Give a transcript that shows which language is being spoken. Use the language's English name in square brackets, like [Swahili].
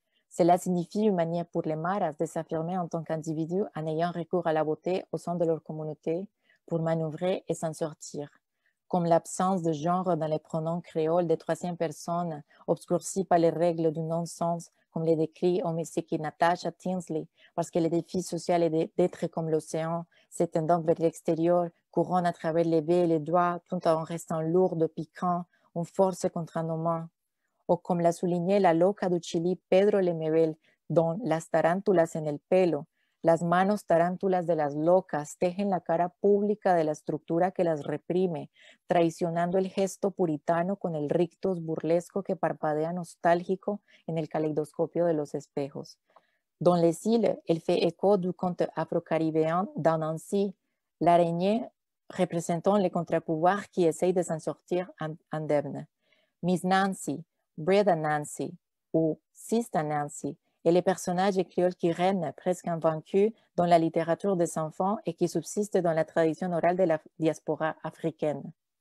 [French] Cela signifie une manière pour les Maras de s'affirmer en tant qu'individus en ayant recours à la beauté au sein de leur communauté pour manœuvrer et s'en sortir, comme l'absence de genre dans les pronoms créoles des troisièmes personnes obscurcis par les règles du non-sens, comme les décrit Omiseki Natasha Tinsley, parce que le défi social est d'être comme l'océan, s'étendant vers l'extérieur, couronne à travers les baies et les doigts, tout en restant lourde, piquant, une force contre nos mains. Ou comme l'a souligné la loca du Chili Pedro Lemebel, dont [Spanish] las tarántulas en el pelo, las manos tarántulas de las locas tejen la cara pública de la estructura que las reprime, traicionando el gesto puritano con el rictus burlesco que parpadea nostálgico en el caleidoscopio de los espejos. [French] Dans les îles, elle fait écho du conte afro-caribéen d'Anansi, l'araignée représentant les contre-pouvoirs qui essayent de s'en sortir indemne. Miss Nancy, Breda Nancy ou Sista Nancy est le personnage créole qui règne presque invaincu dans la littérature des enfants et qui subsiste dans la tradition orale de la diaspora africaine.